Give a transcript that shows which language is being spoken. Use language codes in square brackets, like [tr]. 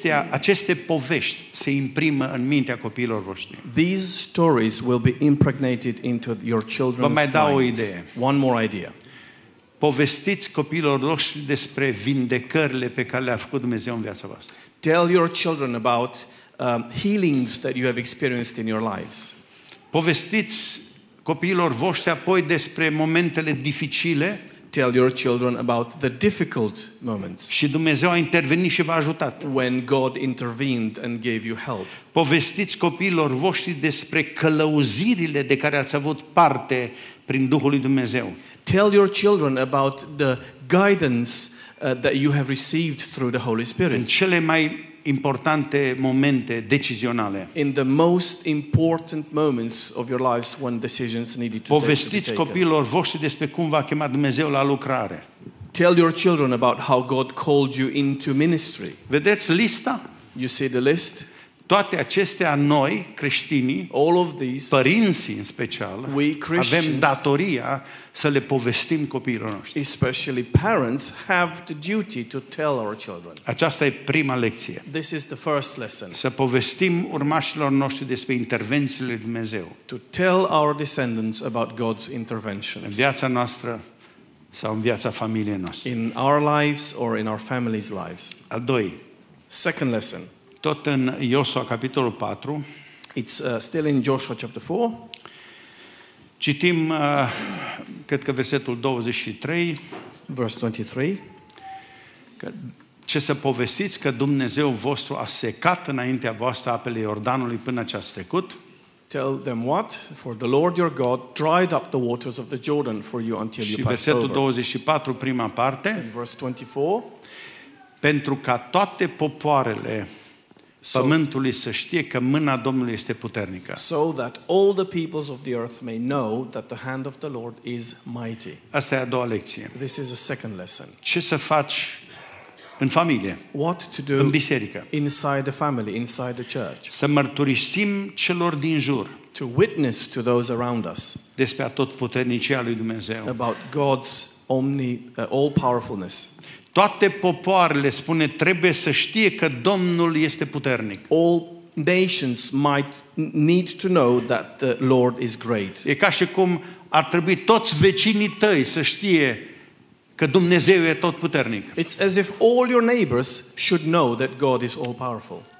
[ro] Aceste povești se imprimă în mintea copiilor voștri. [en] These stories will be impregnated into your children's minds. [ro] Vă mai dau o idee. [en] One more idea. [ro] Povestiți copiilor voștri despre vindecările pe care le-a făcut Dumnezeu în viața voastră. [en] Tell your children about healings that you have experienced in your lives. [ro] Povestiți copiilor voștri apoi despre momentele dificile. [en] Tell your children about the difficult moments. [ro] Și Dumnezeu a intervenit și v-a ajutat. [en] When God intervened and gave you help. [ro] Povestiți copiilor voștri despre călăuzirile de care ați avut parte prin Duhul lui Dumnezeu. [en] Tell your children about the guidance that you have received through the Holy Spirit. [ro] În cele mai importante momente decizionale. [en] In the most important moments of your lives when decisions needed to be taken. [ro] Povestiți copiilor voștri despre cum v-a chemat Dumnezeu la lucrare. [en] Tell your children about how God called you into ministry. [ro] Vedeți lista? [en] You see the list? [ro] Toate acestea noi creștinii, [en] all of these, [ro] părinții în special, [en] we Christians, [ro] avem datoria să le povestim copiilor noștri. [en] Especially parents have the duty to tell our children. [ro] Aceasta e prima lecție. [en] This is the first lesson. [ro] Să povestim urmașilor noștri despre intervențiile lui Dumnezeu. [en] To tell our descendants about God's interventions. [ro] În viața noastră sau în viața familiei noastre. [en] In our lives or in our families' lives. [ro] Al doi. [en] Second lesson. [ro] Tot în Iosua capitolul 4. [en] It's still in Joshua chapter 4. [ro] Citim cred că versetul 23. [en] Verse 23. [ro] Ce să povestiți că Dumnezeu vostru a secat înaintea voastră apele Iordanului până ce ați trecut? [en] Tell them what? For the Lord your God dried up the waters of the Jordan for you until you passed over. [ro] Și versetul 24, prima parte. [en] And verse 24. [ro] Pentru ca toate popoarele pământului să știe că mâna Domnului este puternică. [en] So that all the peoples of the earth may know that the hand of the Lord is mighty. [ro] Asta e a doua lecție. [en] This is a second lesson. [ro] Ce să faci în familie, [en] what to do [ro] în biserică, [en] inside the family, inside the church. [ro] Să mărturisim celor din jur, [en] to witness to those around us, [ro] despre atotputernicia lui Dumnezeu, [en] about God's all powerfulness. [ro] Toate popoarele, spune, trebuie să știe că Domnul este puternic. [en] All nations might need to know that the Lord is great. [ro] E ca și cum ar trebui toți vecinii tăi să știe că Dumnezeu e tot puternic. [en] It's as if all your neighbors should know that God is all powerful.